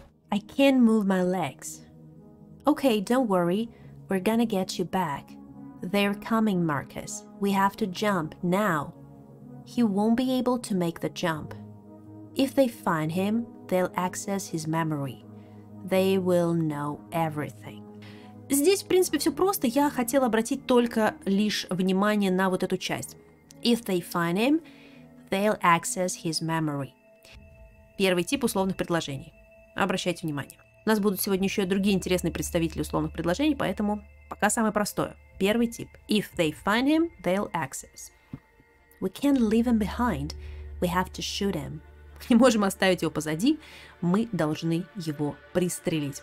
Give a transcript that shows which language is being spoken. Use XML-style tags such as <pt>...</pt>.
<en>I can't move my legs. Okay, don't worry. We're gonna get you back. They're coming, Marcus. We have to jump now. He won't be able to make the jump. If they find him, they'll access his memory. They will know everything.</en> <ru>Здесь, в принципе, все просто. Я хотела обратить только лишь внимание на вот эту часть.</ru> <en>If they find him, they'll access his memory.</en> <ru>Первый тип условных предложений. Обращайте внимание. У нас будут сегодня еще и другие интересные представители условных предложений, поэтому пока самое простое. Первый тип.</ru> <en>If they find him, they'll access. We can't leave him behind. We have to shoot him.</en> <ru>Не можем оставить его позади, мы должны его пристрелить.</ru>